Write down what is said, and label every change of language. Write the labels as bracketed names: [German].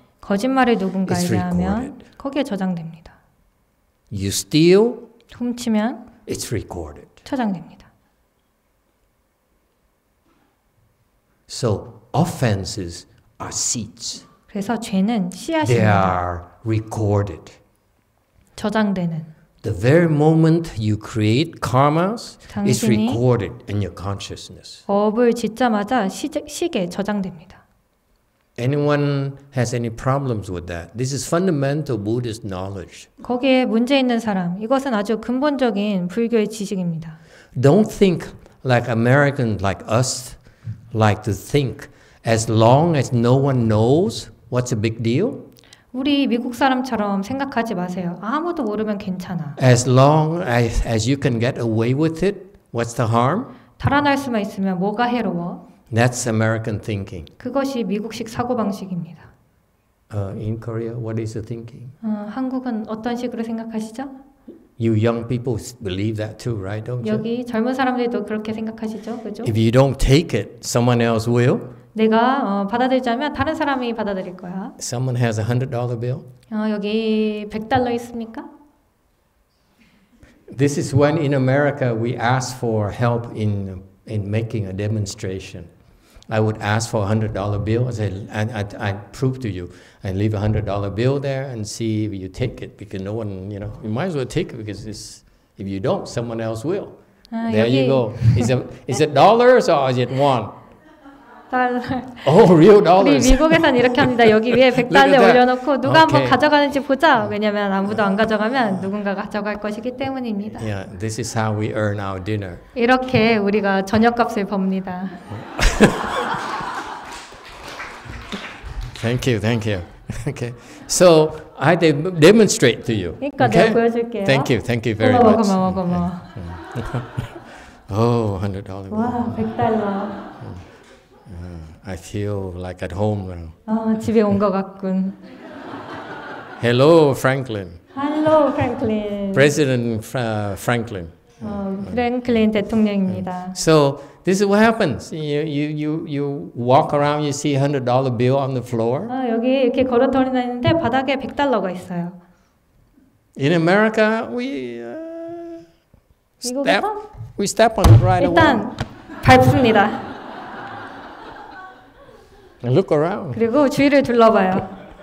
[Korean] 거짓말을 누군가에게 하면, 거기에 저장됩니다. [English] You steal, [Korean] 훔치면, [English] it's recorded, [Korean] 저장됩니다. [English] So offenses are seeds. [Korean] 그래서 죄는 씨앗입니다. [English] They are recorded. [Korean] 저장되는. [English] The very moment you create karmas, is recorded in your consciousness. [Korean] 업을 짓자마자 식에 저장됩니다. [English] Anyone has any problems with that? This is fundamental Buddhist knowledge. [Korean] 거기에 문제 있는 사람, 이것은 아주 근본적인 불교의 지식입니다. [English] Don't think like Americans like us like to think as long as no one knows. What's a big deal? [Korean] 우리 미국 사람처럼 생각하지 마세요. 아무도 모르면 괜찮아. [English] As long as you can get away with it, what's the harm? [Korean] 달아날 수만 있으면 뭐가 해로워? [English] That's American thinking. [Korean] 그것이 미국식 사고방식입니다. [English] In Korea, what is the thinking? [Korean] 한국은 어떤 식으로 생각하시죠? [English] You young people believe that too, right? Don't you? [Korean] 여기 젊은 사람들도 그렇게 생각하시죠, 그죠? [English] If you don't take it, someone else will. [Korean] 내가 받아들자면 다른 사람이 받아들일 거야. [English] Someone has a $100 bill? [Korean] 여기 $100 있습니까? [English] This is when in America we ask for help in making a demonstration. I would ask for a $100 bill and I'd prove to you. I'd leave a $100 bill there and see if you take it because no one, you know, you might as well take it because it's, if you don't, someone else will. There [Korean] 여기. [English] You go. Is it dollars or is it one? $1. Oh, real dollars. [Korean] 우리 미국에선 이렇게 합니다. 여기 위에 $100 올려놓고 누가 okay. 한번 가져가는지 보자. 왜냐하면 아무도 안 가져가면 누군가 가져갈 것이기 때문입니다. [English] Yeah, this is how we earn our dinner. [Korean] 이렇게 우리가 저녁값을 법니다. [English] Thank you, thank you. Okay, so I demonstrate to you. [Korean] 그러니까 okay? 내가 보여줄게요. [English] Thank you very [Korean] 고마워, [English] much. [Korean] 고마워. [English] $100. [Korean] 와, 100달러. [English] I feel like at home now. [Korean] 아, 집에 온 것 같군. [English] Hello, Franklin. Hello, Franklin. President Franklin. [Korean] 프랭클린 대통령입니다. [English] So this is what happens. You walk around, you see $100 bill on the floor. [Korean] 아, 여기 이렇게 걸어 다니는데 바닥에 100달러가 있어요. [English] In America, we step on it right [Korean] 일단 [English] away. [Korean] 일단 밟습니다. [English] Look around. [Korean] 그리고 주위를 둘러봐요.